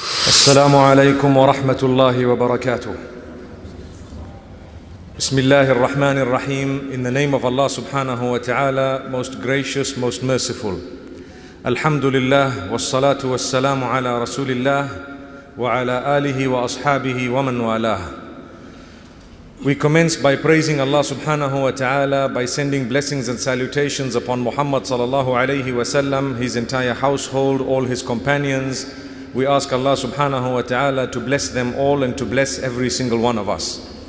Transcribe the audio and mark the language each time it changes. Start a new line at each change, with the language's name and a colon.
Arabic: السلام عليكم ورحمة الله وبركاته. بسم الله الرحمن الرحيم.
English: In the name of Allah
Arabic: سبحانه وتعالى,
English: most gracious, most merciful.
Arabic: الحمد لله والصلاة والسلام على رسول الله وعلى آله وأصحابه ومن والاه.
English: We commence by praising Allah سبحانه وتعالى by sending blessings and salutations upon Muhammad
Arabic: صلى الله عليه وسلم,
English: his entire household, all his companions. We ask Allah subhanahu wa ta'ala to bless them all and to bless every single one of us.